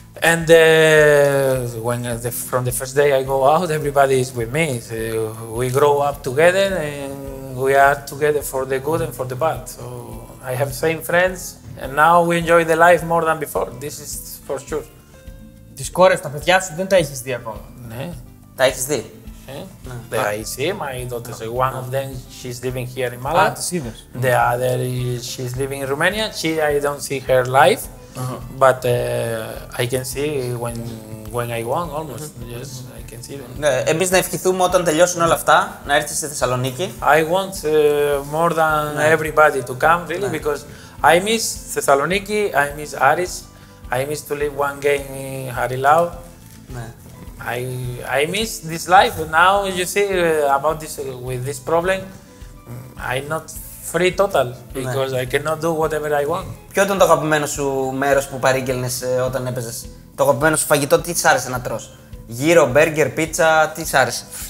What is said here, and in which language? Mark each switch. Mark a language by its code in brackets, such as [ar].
[en] And when from the first day I go out, everybody is with me. So we grow up together, and we are together for the good and for the bad. So I have same friends and now we enjoy the life more than before. This is for sure. [el] Τις κόρες, τα παιδιά σου δεν τα έχεις δει ακόμα. Ναι. Τα έχεις δει. [en] I see my daughter. No. One of them, she's living here in Malaga. Ah, mm. The other, she's living in Romania. She, I don't see her life, but I can see when I want almost. Mm-hmm. Yes, I can see them. [el] Ναι, εμείς να ευχηθούμε όταν τελειώσουν όλα αυτά να έρθεις στη Θεσσαλονίκη. [en] I want more than everybody to come, really, because I miss Θεσσαλονίκη, I miss Άρης, I miss to live one game in Harilau. I miss this life. Now you see about this with this problem, I'm not free total because I cannot do whatever I want. [el] Ποιο ήταν το αγαπημένο σου μέρος που παρήγγελνες όταν έπαιζες? Το αγαπημένο σου φαγητό, τι σ' άρεσε να τρως? Γύρο, μπέργκερ, πίτσα, τι σ' άρεσε?